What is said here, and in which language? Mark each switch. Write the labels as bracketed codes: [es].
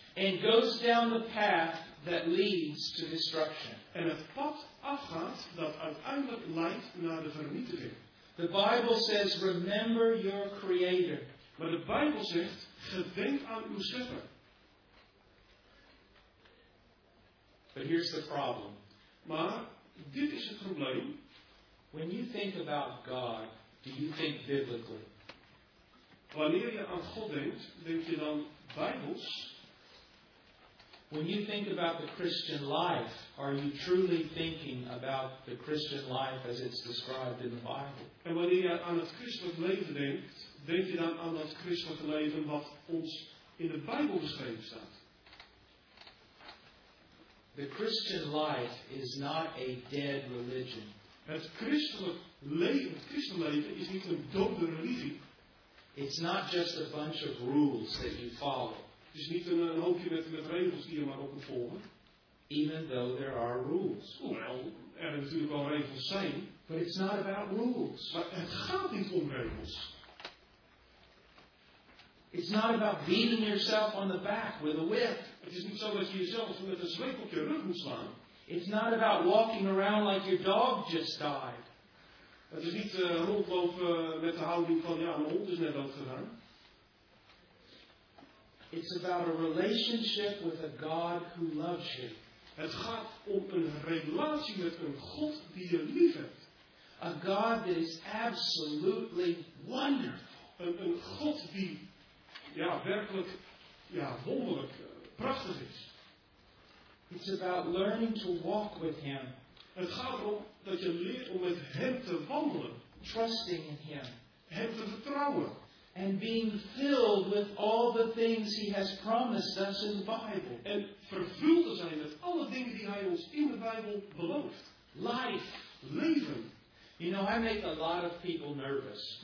[en] And goes down the path that leads to destruction. [nl] En het pad afgaat dat uiteindelijk leidt naar de vernietiging. [en] The Bible says, remember your creator. [nl] Maar de Bijbel zegt, gedenk aan uw schepper. [en] But here's the problem. [nl] Maar dit is het probleem. [en] When you think about God, do you think biblically? [nl] Wanneer je aan God denkt, denk je dan Bijbels? [en] When you think about the Christian life, are you truly thinking about the Christian life as it's described in the Bible? [nl] En wanneer je aan het christelijke leven denkt, denk je dan aan dat christelijke leven wat ons in de Bijbel beschreven staat? [en] The Christian life is not a dead religion. [nl] Het christelijke leven is niet een dode religie. [en] It's not just a bunch of rules that you follow. [nl] Het is niet een hoopje met regels die je maar op moet volgen. [en] Even though there are rules. [nl] Hoewel er natuurlijk wel regels zijn. [en] But it's not about rules. [nl] Maar het gaat niet om regels. [en] It's not about beating yourself on the back with a whip. [nl] Het is niet zo dat je jezelf met een zweep op je rug moet slaan. [en] It's not about walking around like your dog just died. [nl] Het is niet rondlopen met de houding van ja, mijn hond is net dood gegaan. [en] It's about a relationship with a God who loves you. [nl] Het gaat om een relatie met een God die je lief hebt. [en] A God that is absolutely wonderful. [nl] Een God die ja, werkelijk ja, wonderlijk, prachtig is. [en] It's about learning to walk with him. [nl] Het gaat erom dat je leert om met hem te wandelen. [en] Trusting in him. [nl] Hem te vertrouwen. [en] And being filled with all the things he has promised us in the Bible. [nl] En vervuld te zijn met alle dingen die hij ons in de Bijbel belooft. [en] Life. [nl] Leven. [en] You know, I make a lot of people nervous.